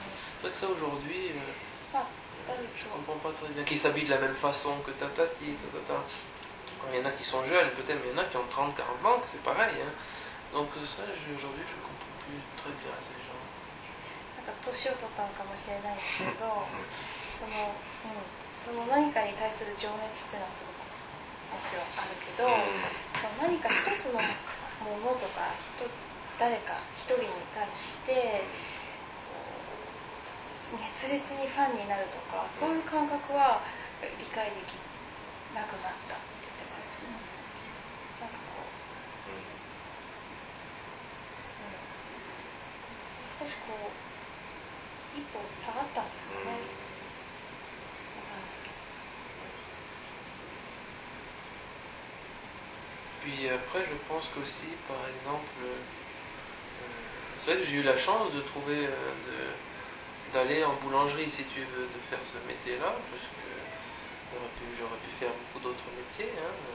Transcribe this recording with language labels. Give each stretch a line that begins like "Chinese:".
French: C'est vrai que ça, aujourd'hui, je ne comprends pas très bien. Qui s'habille de la même façon que ta tati, ta tata. Il y en a qui sont jeunes, peut-être, mais il y en a qui ont 30, 40 ans, que c'est pareil. Hein. Donc ça, aujourd'hui, je ne comprends plus très bien ces gens. Je pense que c'est un peu plus tard, mais
Japanese: その、うん、その何かに対する情熱っていうのはすごくもちろんあるけど、うん、何か一つのものとか誰か一人に対して熱烈にファンになるとかそういう感覚は理解できなくなったって言ってます、ね、なんかこう、うん、もう少しこう一歩下がったんですかね、うん、分かんないけど。
French: Puis après je pense qu'aussi par exemple c'est vrai que j'ai eu la chance de trouver d'aller en boulangerie, si tu veux, de faire ce métier-là, parce que j'aurais pu faire beaucoup d'autres métiers, hein.